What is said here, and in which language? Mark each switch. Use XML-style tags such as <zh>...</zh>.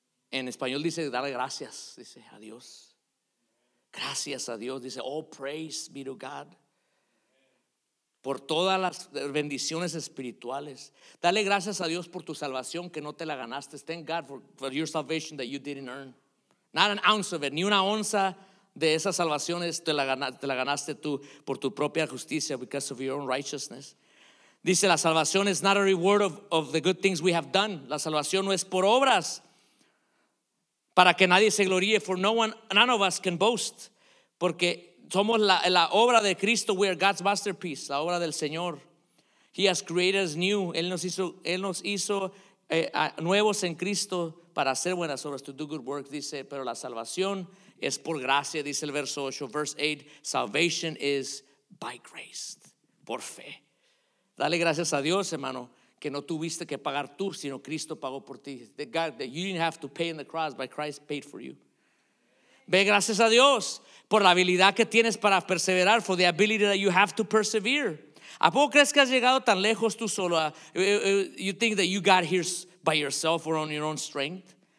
<es>En español dice, dale gracias, dice, a Dios. Gracias a Dios, dice,</es> <en>oh, praise be to God.</en> <es>Por todas las bendiciones espirituales. Dale gracias a Dios por tu salvación que no te la ganaste.</es> <en>Thank God for your salvation that you didn't earn. Not an ounce of it.</en> <es>Ni una onza de esas salvaciones te la ganaste tú por tu propia justicia, because of your own righteousness. Dice, la salvación</es> <en>is not a reward of the good things we have done.</en> <es>La salvación no es por obras. Para que nadie se gloríe.</es> <en>For no one, none of us can boast.</en> <es>Porque somos la obra de Cristo.</es> <en>We are God's masterpiece,</en> <es>la obra del Señor.</es> <en>He has created us new.</en> <es>Él nos hizo nuevos en Cristo para hacer buenas obras,</es> <en>to do good works,</en> <es>dice. Pero la salvación es por gracia, dice el verso 8.</es> <en>Verse 8, salvation is by grace,</en> <es>por fe. Dale gracias a Dios, hermano, que no tuviste que pagar tú, sino Cristo pagó por ti.</es> <en>That God, that you didn't have to pay in the cross, but Christ paid for you.</en> <es>Ve gracias a Dios por la habilidad que tienes para perseverar,</es> <en>for the ability that you have to persevere.</en> <es>¿A poco crees que has llegado tan lejos tú solo?</es> <en>You think that you got here by yourself or on your own strength?</en>